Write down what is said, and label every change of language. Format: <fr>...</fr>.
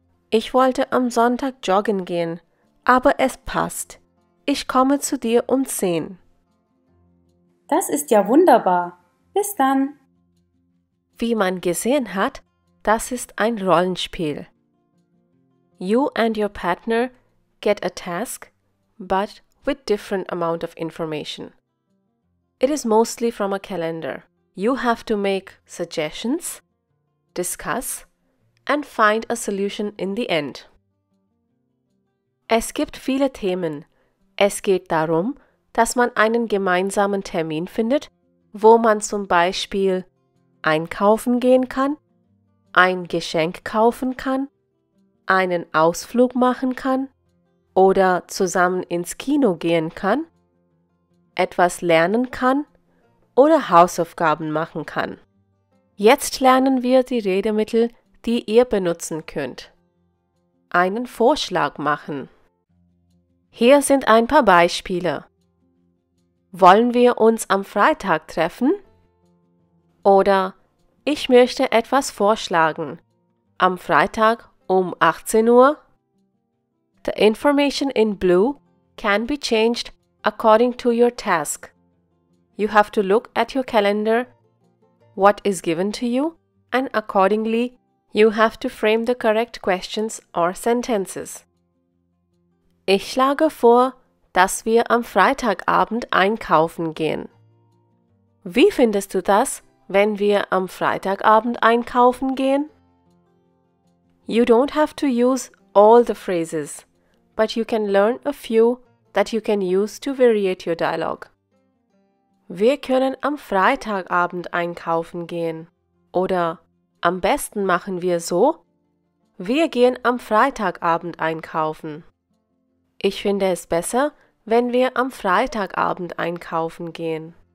<de>Ich wollte am Sonntag joggen gehen, aber es passt. Ich komme zu dir um 10. Das ist ja wunderbar. Bis dann. Wie man gesehen hat, das ist ein Rollenspiel.</de> <en>You and your partner get a task, but with different amount of information. It is mostly from a calendar. You have to make suggestions, discuss, and find a solution in the end.</en> <de>Es gibt viele Themen. Es geht darum, dass man einen gemeinsamen Termin findet, wo man zum Beispiel einkaufen gehen kann, ein Geschenk kaufen kann, einen Ausflug machen kann oder zusammen ins Kino gehen kann, etwas lernen kann oder Hausaufgaben machen kann. Jetzt lernen wir die Redemittel, die ihr benutzen könnt. Einen Vorschlag machen. Hier sind ein paar Beispiele. Wollen wir uns am Freitag treffen? Oder ich möchte etwas vorschlagen. Am Freitag um 18 Uhr?</de> <en>The information in blue can be changed according to your task. You have to look at your calendar, what is given to you, and accordingly, you have to frame the correct questions or sentences.</en> <de>Ich schlage vor, dass wir am Freitagabend einkaufen gehen. Wie findest du das, wenn wir am Freitagabend einkaufen gehen?</de> <en>You don't have to use all the phrases, but you can learn a few that you can use to variate your dialogue.</en> <de>Wir können am Freitagabend einkaufen gehen. Oder am besten machen wir so: Wir gehen am Freitagabend einkaufen. Ich finde es besser, wenn wir am Freitagabend einkaufen gehen.</de>